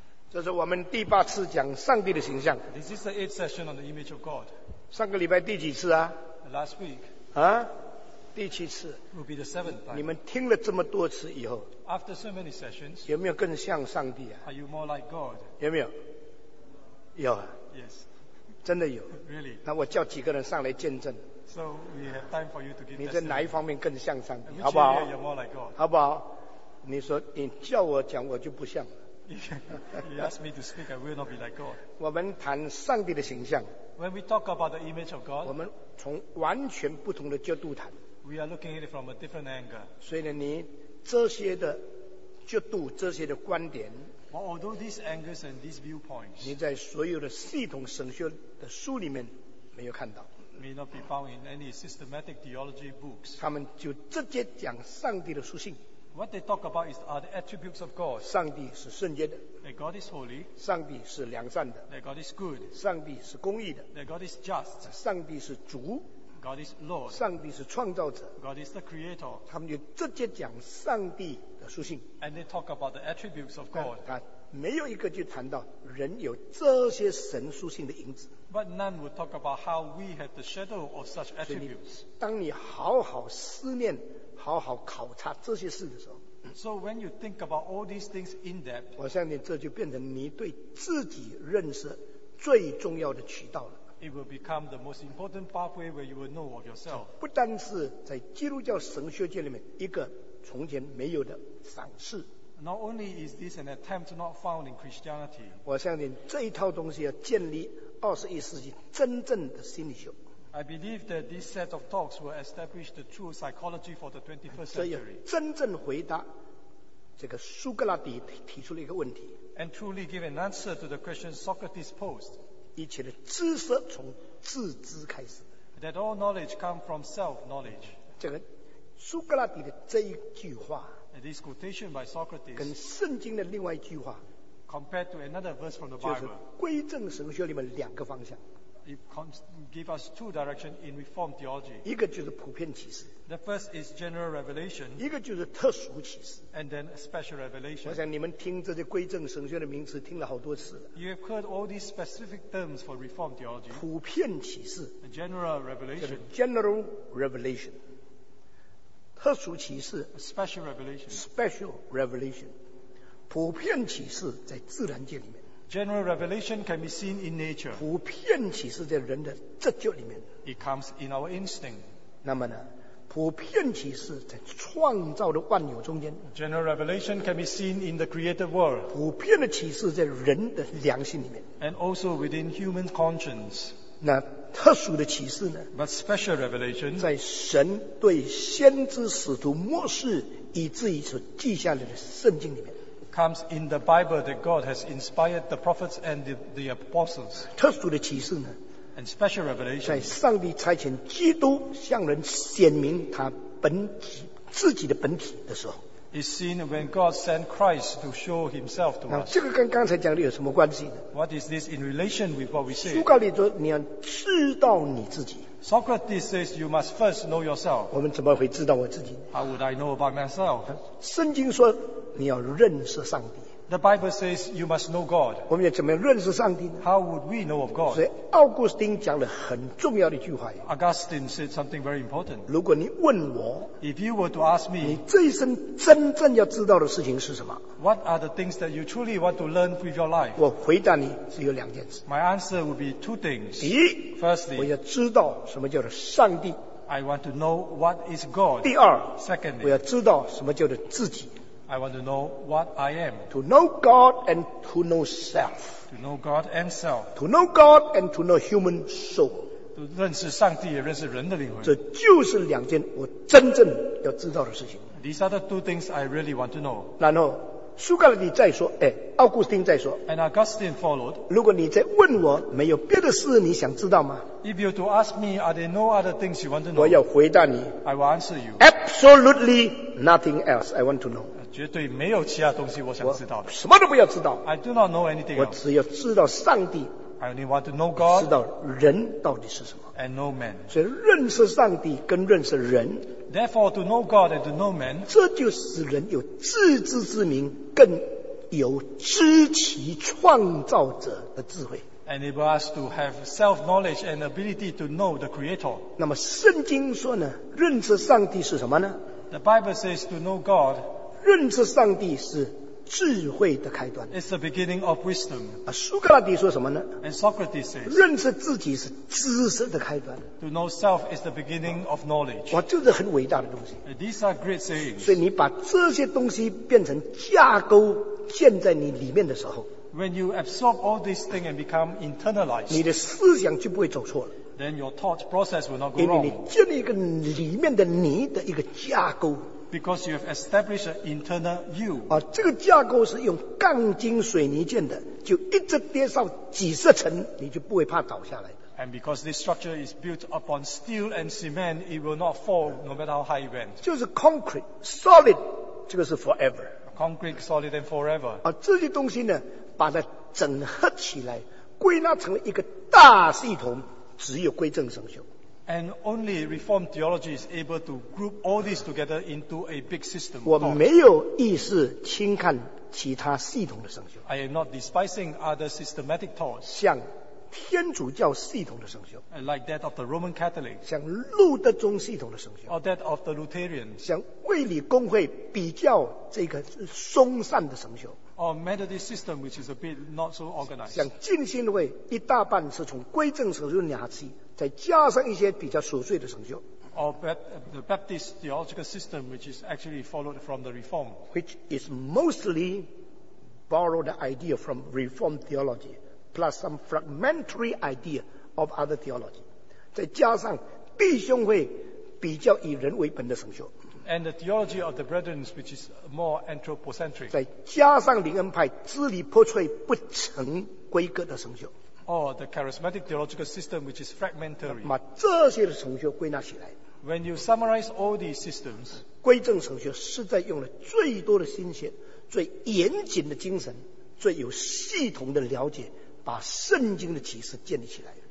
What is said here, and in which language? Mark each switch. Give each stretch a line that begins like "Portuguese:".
Chinese: 这是我们第八次讲上帝的形象。
English: This is the eighth session on the image of God.
Chinese: 上个礼拜第几次啊
English: ？Last week.
Chinese: 啊？第七次。
English: Will be the seventh time.
Chinese: 你们听了这么多次以后
English: ，After so many sessions,
Chinese: 有没有更像上帝啊
English: ？Are you more like God?
Chinese: 有没有？有啊。
English: Yes.
Chinese: 真的有。
English: Really.
Chinese: 那我叫几个人上来见证。
English: So we have time for you to give.
Chinese: 你在哪一方面更像上帝？好不好
English: ？You're more like God.
Chinese: 好不好？你说你叫我讲，我就不像。
English: You ask me to speak, I will not be like God.
Chinese: 我们谈上帝的形象。
English: When we talk about the image of God,
Chinese: 我们从完全不同的角度谈。
English: We are looking at it from a different angle.
Chinese: 所以呢，你这些的角度，这些的观点。
English: Well, although these angles and these viewpoints,
Chinese: 你在所有的系统神学的书里面没有看到。
English: May not be found in any systematic theology books.
Chinese: 他们就直接讲上帝的属性。
English: What they talk about is are the attributes of God.
Chinese: 上帝是圣洁的。
English: That God is holy.
Chinese: 上帝是良善的。
English: That God is good.
Chinese: 上帝是公义的。
English: That God is just.
Chinese: 上帝是主。
English: God is Lord.
Chinese: 上帝是创造者。
English: God is the creator.
Chinese: 他们就直接讲上帝的属性。
English: And they talk about the attributes of God.
Chinese: 他没有一个就谈到人有这些神属性的影子。
English: But none would talk about how we have the shadow of such attributes.
Chinese: 当你好好思念。好好考察这些事的时候
English: So when you think about all these things in depth
Chinese: 我相信这就变成你对自己认识最重要的渠道了
English: It will become the most important pathway where you will know of yourself
Chinese: 不单是在基督教神学界里面一个从前没有的赏识
English: Not only is this an attempt not found in Christianity
Chinese: 我相信这一套东西要建立21世纪真正的心理学
English: I believe that this set of talks will establish the true psychology for the 21st century.
Chinese: 这也真正回答这个苏格拉底提出了一个问题。
English: And truly give an answer to the question Socrates posed.
Chinese: 一切的知识从自知开始。
English: That all knowledge comes from self-knowledge.
Chinese: 这个苏格拉底的这一句话。
English: And this quotation by Socrates.
Chinese: 跟圣经的另外一句话。
English: Compared to another verse from the Bible.
Chinese: 就是归正神学里面两个方向。
English: Give us two directions in Reformed theology.
Chinese: 一个就是普遍启示。
English: The first is general revelation.
Chinese: 一个就是特殊启示。
English: And then a special revelation.
Chinese: 我想你们听这些归正神学的名词听了好多次了。
English: You have heard all these specific terms for Reformed theology.
Chinese: 普遍启示。
English: A general revelation.
Chinese: 就是
English: general revelation.
Chinese: 特殊启示。
English: A special revelation. Special revelation.
Chinese: 普遍启示在自然界里面。
English: General revelation can be seen in nature.
Chinese: 普遍启示在人的直觉里面。
English: It comes in our instinct.
Chinese: 那么呢，普遍启示在创造的万有中间。
English: General revelation can be seen in the created world.
Chinese: 普遍的启示在人的良心里面。
English: And also within human conscience.
Chinese: 那特殊的启示呢
English: ？But special revelation
Chinese: 在神对先知、使徒、末世以至于所记下来的圣经里面。
English: Comes in the Bible that God has inspired the prophets and the apostles.
Chinese: 特殊的启示呢
English: ？And special revelation.
Chinese: 在上帝差遣基督向人显明他本体自己的本体的时候
English: ，is seen when God sent Christ to show Himself to us.
Chinese: 那这个跟刚才讲的有什么关系呢
English: ？What is this in relation with what we say?
Chinese: 苏格拉底说你要知道你自己。
English: Socrates says you must first know yourself.
Chinese: 我们怎么会知道我自己
English: ？How would I know about myself?
Chinese: 圣经说。你要认识上帝。
English: The Bible says you must know God.
Chinese: 我们要怎么认识上帝呢
English: ？How would we know of God?
Chinese: 所以奥古斯丁讲了很重要的一句话。
English: Augustine said something very important.
Chinese: 如果你问我
English: ，If you were to ask me，
Chinese: 你这一生真正要知道的事情是什么
English: ？What are the things that you truly want to learn with your life？
Chinese: 我回答你只有两件事。
English: My answer would be two things.
Chinese: 第一
English: ，Firstly，
Chinese: 我要知道什么叫做上帝。
English: I want to know what is God.
Chinese: 第二
English: ，Secondly，
Chinese: 我要知道什么叫做自己。
English: I want to know what I am. To know God and to know self. To know God and self. To know God and to know human soul. To
Chinese: 认识上帝也认识人的灵魂。这就是两件我真正要知道的事情。
English: These are the two things I really want to know.
Chinese: 然后苏格拉底再说，哎，奥古斯丁再说。
English: And Augustine followed.
Chinese: 如果你在问我，没有别的事你想知道吗
English: ？If you to ask me, are there no other things you want to know?
Chinese: 我要回答你。
English: I will answer you. Absolutely nothing else I want to know.
Chinese: 绝对没有其他东西我想知道的。什么都不要知道。
English: I do not know anything.
Chinese: 我只要知道上帝。
English: I only want to know God.
Chinese: 知道人到底是什么。
English: And know man.
Chinese: 所以认识上帝跟认识人。
English: Therefore, to know God and to know man.
Chinese: 这就使人有自知之明，更有知其创造者的智慧。
English: Enable us to have self-knowledge and ability to know the Creator.
Chinese: 那么圣经说呢，认识上帝是什么呢？
English: The Bible says to know God.
Chinese: 认识上帝是智慧的开端。
English: It's the beginning of wisdom.
Chinese: 啊，苏格拉底说什么呢？
English: And Socrates says.
Chinese: 认识自己是知识的开端。
English: To know self is the beginning of knowledge.
Chinese: 哇，这是很伟大的东西。
English: These are great sayings.
Chinese: 所以你把这些东西变成架构建在你里面的时候。
English: When you absorb all these things and become internalized,
Chinese: 你的思想就不会走错了。
English: Then your thought process will not go wrong.
Chinese: 因为你建立一个里面的你的一个架构。
English: Because you have established an internal you.
Chinese: 啊，这个架构是用钢筋水泥建的，就一直跌上几十层，你就不会怕倒下来的。
English: And because this structure is built upon steel and cement, it will not fall no matter how high it went.
Chinese: 就是
English: concrete, solid,
Chinese: 这个是
English: forever. Concrete, solid, and forever.
Chinese: 啊，这些东西呢？把它整合起来，归纳成了一个大系统，只有归正神学。
English: And only Reformed theology is able to group all this together into a big system.
Chinese: 我没有意识轻看其他系统的神学。
English: I am not despising other systematic thoughts.
Chinese: 像天主教系统的神学。
English: Like that of the Roman Catholic.
Chinese: 像路德宗系统的神学。
English: Or that of the Lutheran.
Chinese: 像卫理公会比较这个松散的神学。
English: Or Methodist system, which is a bit not so organized.
Chinese: 像浸信会一大半是从归正神学拿起，再加上一些比较琐碎的神学。
English: Or the Baptist theological system, which is actually followed from the Reform. Which is mostly borrowed idea from Reformed theology, plus some fragmentary idea of other theology.
Chinese: 再加上弟兄会比较以人为本的神学。
English: And the theology of the brethren, which is more anthropocentric.
Chinese: 再加上灵恩派支离破碎不成规格的神学。
English: Or the charismatic theological system, which is fragmentary.
Chinese: 把这些的神学归纳起来。
English: When you summarize all these systems,
Chinese: 归正神学是在用了最多的心血、最严谨的精神、最有系统的了解，把圣经的启示建立起来。